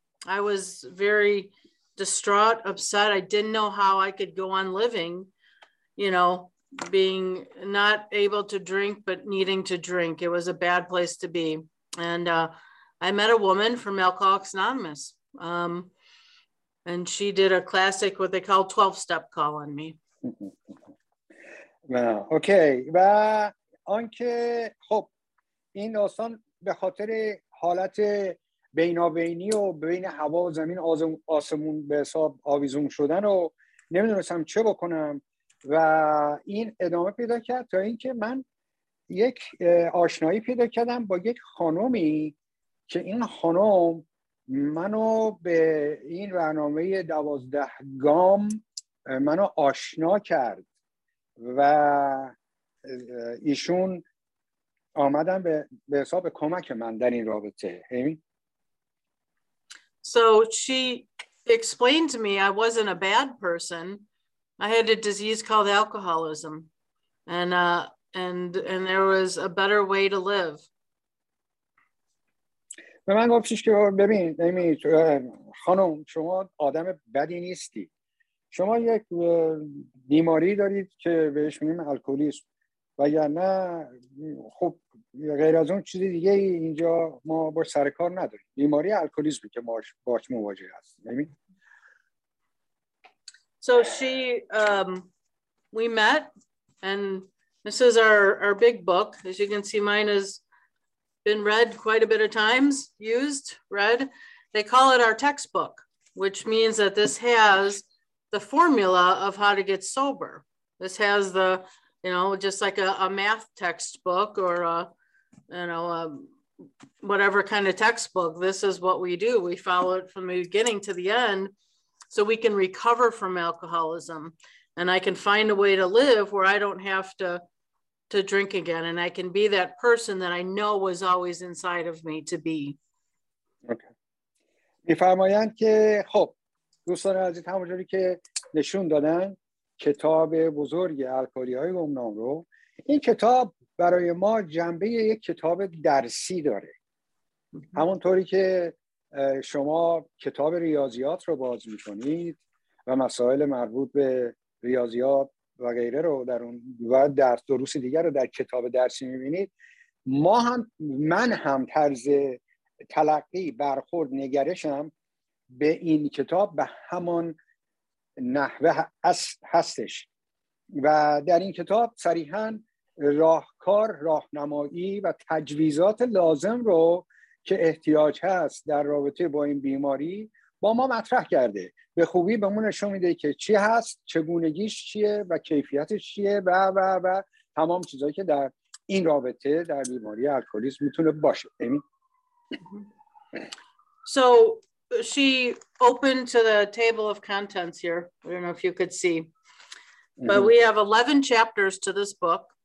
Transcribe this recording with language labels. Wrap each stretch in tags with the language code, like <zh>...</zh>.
<en>I was very distraught, upset. I didn't know how I could go on living, you know, being not able to drink but needing to drink. It was a bad place to be. And I met a woman from Alcoholics Anonymous, and she did a classic, what they call 12-step call on me. Okay.</en> <fa>و آنکه خب این داستان به خاطر حالت بینابینی و بین هوا و زمین آسمون به حساب آویزون شدن و نمیدونستم چه بکنم و این ادامه پیدا کرد تا اینکه من یک آشنایی پیدا کردم با یک خانومی که این خانم منو به این برنامه 12 گام منو آشنا کرد و ایشون آمدن به حساب کمک من در این رابطه. همین.</fa> <en>So she explained to me I wasn't a bad person. I had a disease called alcoholism and there was a better way to live.</en> <fa>به من گفتش که ببین خانم شما آدم بدی نیستی. شما یک بیماری دارید که بهش میگیم الکلیسم و یا نه خب غیر از اون چیز دیگه اینجا ما با سرکار نداریم. بیماری الکلیسم که باش مواجه هست. ببین.</fa> <en>So she, we met and this is our big book. As you can see, mine is been read quite a bit of times, used, read. They call it our textbook, which means that this has the formula of how to get sober. This has the, you know, just like a math textbook or a, you know, a whatever kind of textbook. This is what we do. We follow it from the beginning to the end so we can recover from alcoholism. And I can find a way to live where I don't have to drink again, and I can be that person that I know was always inside of me to be. Okay.</en> <fa>می‌فرمایند که خب دوستان عزیز همونجوری که نشون دادن کتاب بزرگ الکلی‌های گمنام رو این کتاب برای ما جنبه یک کتاب درسی داره. همونطوری که شما کتاب ریاضیات رو باز می‌کنید و مسائل مربوط به ریاضیات و غیره رو در اون و درس دروس دیگر رو در کتاب درسی میبینید، ما هم من هم طرز تلقی برخورد نگرشم به این کتاب به همان نحوه هستش و در این کتاب صریحا راهکار، راهنمایی و تجویزات لازم رو که احتیاج هست در رابطه با این بیماری با ما مطرح کرده. به خوبی بهمون نشون میده که چی هست، چگونگیش چیه و کیفیتش چیه و و و تمام چیزایی که در این رابطه در بیماری الکلیسم میتونه باشه. امین.</fa> <en>So she opened to the table of contents here. I don't know if you could see. But we have 11 chapters to this book.</en>